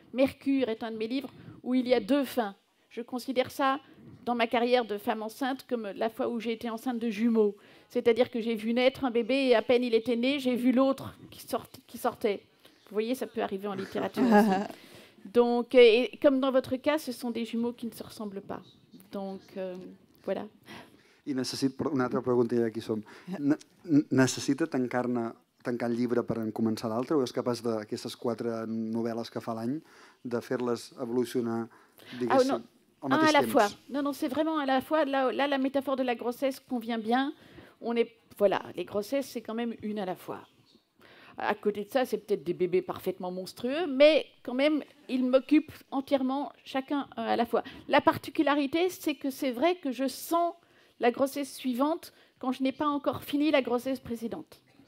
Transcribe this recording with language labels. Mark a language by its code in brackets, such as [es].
[fr] Mercure est un de mes livres où il y a deux fins. Je considère ça, dans ma carrière de femme enceinte, comme la fois où j'ai été enceinte de jumeaux. C'est-à-dire que j'ai vu naître un bébé et à peine il était né, j'ai vu l'autre qui sortait. Vous voyez, ça peut arriver en littérature aussi. Donc, et comme dans votre cas, ce sont des jumeaux qui ne se ressemblent pas. Donc, voilà. [ca] I necessito una altra pregunta, ja aquí som. Necessita tancar el llibre per començar l'altre o és capaç d'aquestes quatre novel·les que fa l'any de fer-les evolucionar, diguéssim, no. Al mateix [fr] à la [ca] temps? [fr] Fois. Non, non, c'est vraiment à la fois. Là, la métaphore de la grossesse convient bien. On est, voilà, les grossesses, c'est quand même une à la fois. À côté de ça, c'est peut-être des bébés parfaitement monstrueux, mais quand même, ils m'occupent entièrement, chacun à la fois. La particularité, c'est que c'est vrai que je sens la grossesse suivante quand je n'ai pas encore fini la grossesse précédente.